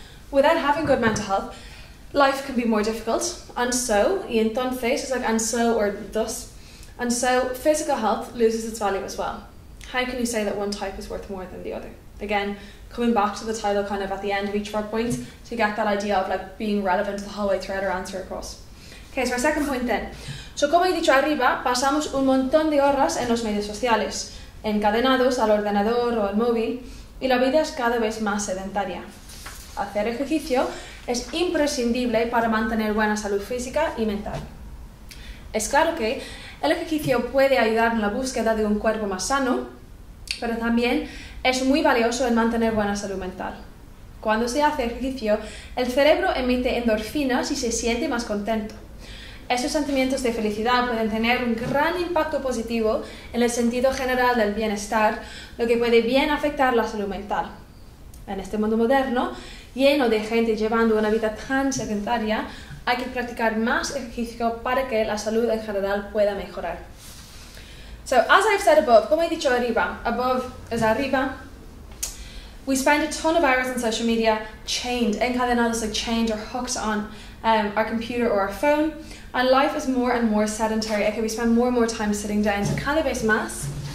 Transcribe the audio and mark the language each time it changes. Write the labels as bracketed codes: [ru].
[en] Without having good mental health, life can be more difficult, and so, [es] y entonces, [en] it's like and so or thus, and so physical health loses its value as well. How can you say that one type is worth more than the other? Again, coming back to the title kind of at the end of each of our points to get that idea of like being relevant the whole way throughout our answer across. Okay, so our second point then. [es] So como he dicho arriba, pasamos un montón de horas en los medios sociales, encadenados al ordenador o al móvil, y la vida es cada vez más sedentaria. Hacer ejercicio es imprescindible para mantener buena salud física y mental. Es claro que el ejercicio puede ayudar en la búsqueda de un cuerpo más sano, pero también es muy valioso en mantener buena salud mental. Cuando se hace ejercicio, el cerebro emite endorfinas y se siente más contento. Esos sentimientos de felicidad pueden tener un gran impacto positivo en el sentido general del bienestar, lo que puede bien afectar la salud mental. En este mundo moderno, lleno de gente llevando una vida tan sedentaria, hay que practicar más ejercicio para que la salud en general pueda mejorar. [en] So, as I've said above, [es] como he dicho arriba, [en] above is arriba, we spend a ton of hours on social media chained, encadenados, like chained or hooked on our computer or our phone, and life is more and more sedentary. Okay, we spend more and more time sitting down. So, [es] cada vez más.